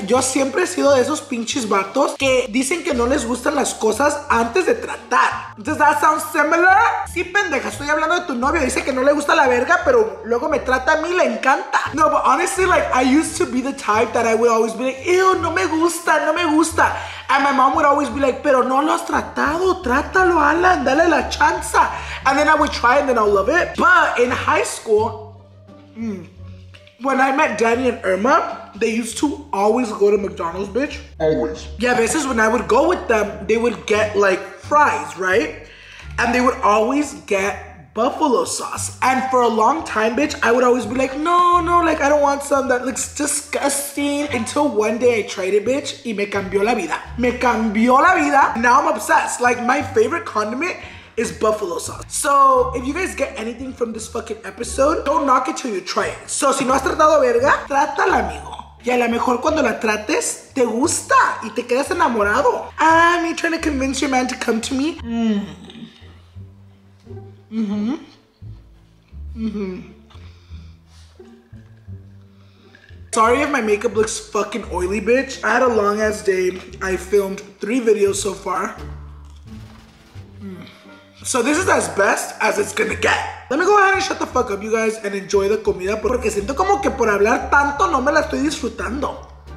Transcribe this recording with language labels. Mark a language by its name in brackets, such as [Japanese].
[Spanish] Yo siempre he sido de esos pinches vatos que dicen que no les gustan las cosas antes de tratar. [English] Does that sound similar? [Spanish] Sí, pendeja. Estoy hablando de tu novio. Dice que no le gusta la verga, pero luego me trata a mí y le encanta. [English] No, but honestly, like, I used to be the type that I would always be like, ew, [Spanish] no me gusta, no me gusta. [English] And my mom would always be like, [Spanish] pero no lo has tratado. Trátalo, Alan. Dale la chance. [English] And then I would try and then I'll love it. But in high school, when I met Danny and Irma, they used to always go to McDonald's, bitch. Always. Yeah, this is when I would go with them, they would get like fries, right? And they would always get buffalo sauce. And for a long time, bitch, I would always be like, no, no, like I don't want some, that looks disgusting. Until one day I tried it, bitch, [Spanish] y me cambió la vida. [English] Me cambió la vida. Now I'm obsessed. Like my favorite condiment is buffalo sauce. So if you guys get anything from this fucking episode, don't knock it till you try it. [Spanish] So si no has tratado verga, trátala, amigo. Y a lo mejor cuando la trates, te gusta y te quedas enamorado. [English] I'm trying to convince your man to come to me. Sorry if my makeup looks fucking oily, bitch. I had a long ass day. I filmed 3 videos so far. So this is as best as it's gonna get. Let me go ahead and shut the fuck up, you guys, and enjoy the comida. [Spanish] Porque siento como que por hablar tanto no me la estoy disfrutando.